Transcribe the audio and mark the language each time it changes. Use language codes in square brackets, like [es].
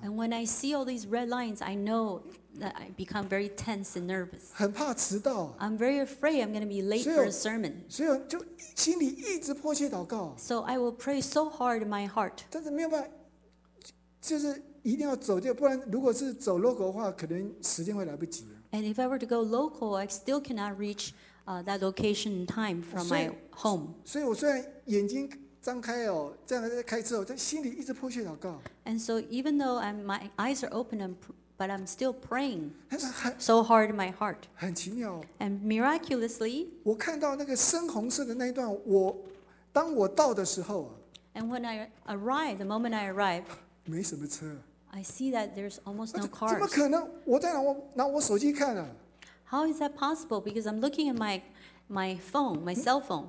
[en] And when I see all these red lines, I know that I become very tense and nervous. [zh] 很怕迟到。 [en] I'm very afraid I'm going to be late for a sermon. [zh] 所以就心里一直迫切祷告。 [en] So I will pray so hard in my heart. [zh] 但是没有办法，就是一定要走，就不然如果是走 local 的话，可能时间会来不及。 [en] And if I were to go local, I still cannot reach that location in time from my home. [zh] 所以我虽然眼睛。张开哦，这样在开车哦，在心里一直迫切祷告。 [en] And so even though my eyes are open, but I'm still praying so hard in my heart. [zh] 很奇妙。 [en] And miraculously, [zh] 我看到那个深红色的那一段，我当我到的时候啊。 [en] And when I arrive, the moment I arrive, [zh] 没什么车。 [en] I see that there's almost no cars. [zh] 怎么可能？我在拿我手机看啊。 [en] How is that possible? Because I'm looking at my phone, my cell phone.